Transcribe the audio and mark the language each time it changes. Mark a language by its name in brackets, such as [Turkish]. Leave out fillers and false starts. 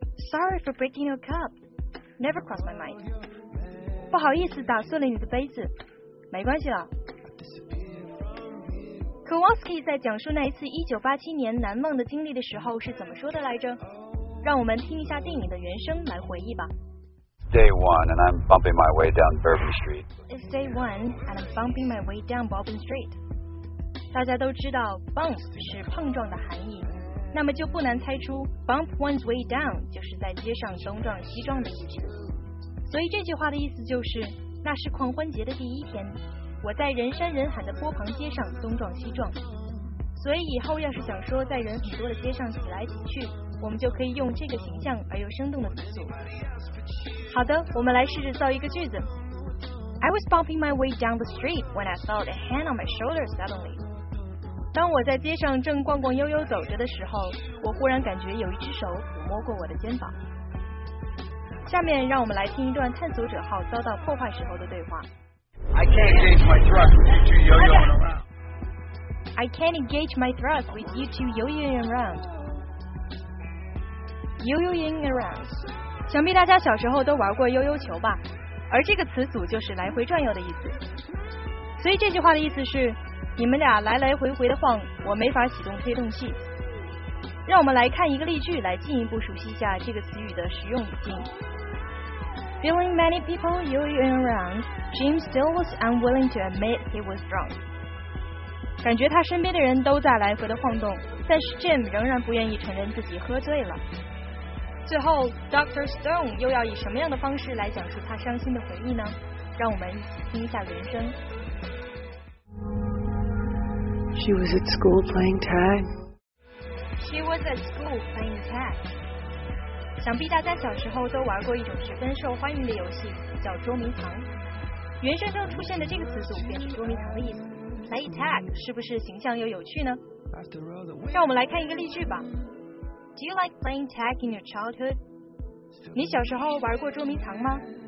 [English] Sorry for breaking your cup. Never crossed my mind. [Chinese] 不好意思打碎了你的杯子。没关系了。 Kowalski 在讲述那一次1987年难忘的经历的时候是怎么说的来着？让我们听一下电影的原声来回忆吧。 [English] Day one, and I'm bumping my way down Bourbon Street. It's day one, and I'm bumping my way down Bourbon Street. [Chinese] 大家都知道 bump 是碰撞的含义，那么就不难猜出 [English] bump one's way down [Chinese] 就是在街上东撞西撞的意思。所以这句话的意思就是，那是狂欢节的第一天，我在人山人海的波旁街上东撞西撞。所以以后要是想说在人很多的街上挤来挤去，我们就可以用这个形象而又生动的比喻。好的，我们来试着造一个句子。 [English] I was bumping my way down the street when I felt a hand on my shoulder suddenly. [Chinese] 当我在街上正逛逛悠悠走着的时候，我忽然感觉有一只手抚摸过我的肩膀。下面让我们来听一段探索者号遭到破坏时候的对话。 [English] I can't engage my thrust with you two yo-yoing around. I can't engage my thrust with you two yo-yoing around. Yo-yoing around. [Chinese] 想必大家小时候都玩过悠悠球吧，而这个词组就是来回转悠的意思。所以这句话的意思是，你们俩来来回回的晃，我没法启动推动器。让我们来看一个例句，来进一步熟悉一下这个词语的实用语境。 [English] Feeling many people yo-yoing around, Jim still was unwilling to admit he was drunk. [Chinese] 感觉他身边的人都在来回的晃动，但是 Jim 仍然不愿意承认自己喝醉了。最后 Dr. Stone 又要以什么样的方式来讲述他伤心的回忆呢？让我们听一下原声。 [English] She was at school playing tag. She was at school playing tag. [Chinese] 想必大家小时候都玩过一种十分受欢迎的游戏，叫捉迷藏。原声中出现的这个词组便是捉迷藏的意思。 [English] Play tag [Chinese] 是不是形象又有趣呢？让我们来看一个例句吧。 [English] Do you like playing tag in your childhood? [Chinese] 你小时候玩过捉迷藏吗？